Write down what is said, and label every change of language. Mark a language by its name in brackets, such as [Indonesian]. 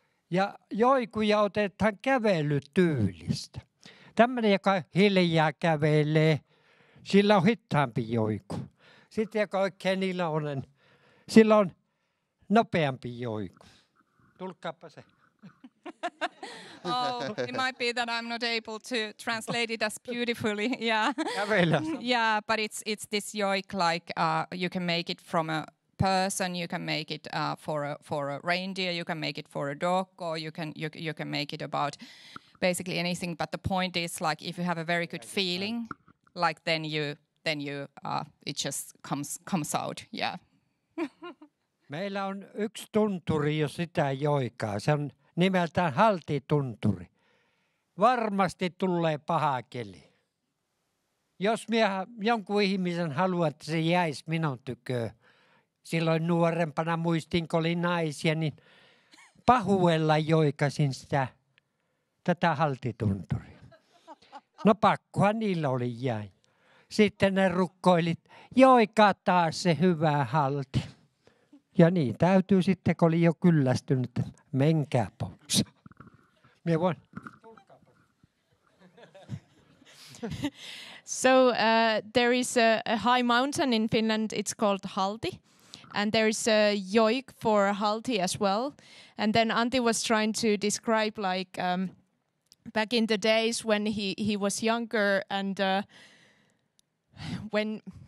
[Finnish] Ja joikuja otetaan kävelytyylistä. Tämmöinen, joka hiljaa kävelee, sillä on hitaampi joiku. Sitten, joka oikein iloinen, sillä on nopeampi joiku. Tulkkaapa se. [English] Oh, it might be that I'm not able to translate it as beautifully. Yeah. [Finnish] Kävelä. [English] Yeah, but it's this joik, like you can make it from a person, you can make it for a reindeer, you can make it for a dog, or you can make it about basically anything. But the point is, like, if you have a very good feeling, like it just comes out. Yeah. [Finnish] Meillä on yksi tunturi, jos sitä joikaa. Se on nimeltään haltitunturi. Varmasti tulee paha keli. Jos minä jonkun ihmisen haluan, että se jäisi minun tyköön, silloin nuorempana muistin, kun olin naisia, niin pahuella joikasin tätä haltitunturia. No pakkohan niillä oli jäi. Sitten ne rukkoilit, joikaa taas se hyvä halti. Ja niin, täytyy sitten, kun oli jo kyllästynyt, menkää pois. Minä voin. [English] So there is a high mountain in Finland, it's called Halti. And there is a joik for Halti as well. And then Antti was trying to describe, like, back in the days when he was younger and when...